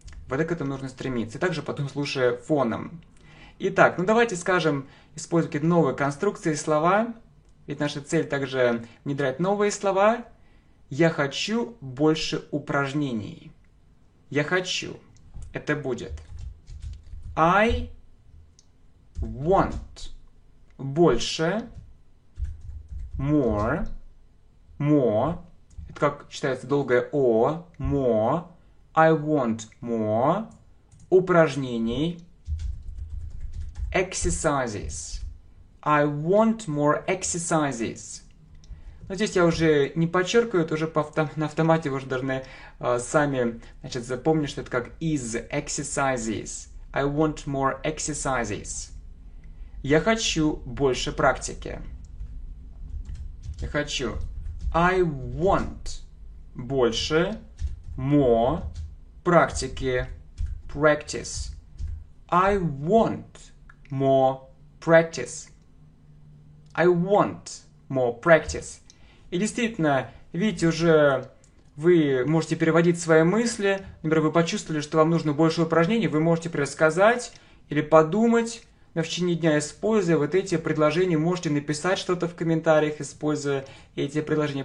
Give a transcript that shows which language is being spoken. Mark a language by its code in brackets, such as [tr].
[ru] Вот к этому нужно стремиться, и также потом слушая фоном. Итак, ну давайте скажем, используя какие-то новые конструкции, слова. Ведь наша цель также внедрять новые слова. Я хочу больше упражнений. Я хочу. Это будет. [en] I want [ru] больше. [en] More. More. [ru] Это как читается долгое о. [en] More. I want more [ru] упражнений. [en] Exercises. I want more exercises. [ru] Но здесь я уже не подчеркиваю, это уже на автомате вы уже должны сами, значит, запомнить, что это как is exercises. [en] I want more exercises. [ru] Я хочу больше практики. Я хочу. [en] I want [ru] больше, [en] more [ru] практики, [en] practice. I want more practice. I want more practice. [ru] И действительно, видите, уже вы можете переводить свои мысли. Например, вы почувствовали, что вам нужно больше упражнений. Вы можете пересказать или подумать. Но в течение дня, используя вот эти предложения, можете написать что-то в комментариях, используя эти предложения.